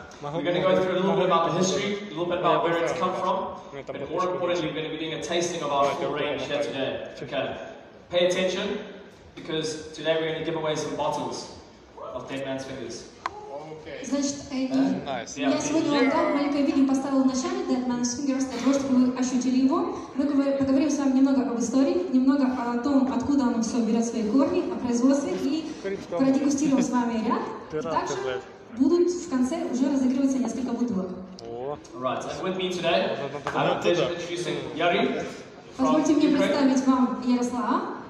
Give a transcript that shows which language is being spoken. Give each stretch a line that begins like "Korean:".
English: We're going to go through a little bit about the history, a little bit about where it's come from, but more importantly, we're going to be doing a tasting of our full range here today. Okay. Pay attention, because today we're going to give away some bottles of Dead Man's Fingers.
Russian: Значит, я сегодня вам дам маленькое видео, поставила в начале Dead Man's Fingers, для того, чтобы вы ощутили его. Мы поговорим с вами немного об истории, немного о том, откуда оно все берет свои корни, о производстве, и продегустируем с вами ряд. Также будут в конце уже разыгрываться несколько бутылок.
English: Right, and with me today, I'm going to introduce Yari.
Russian: Позвольте мне представить вам Ярослава.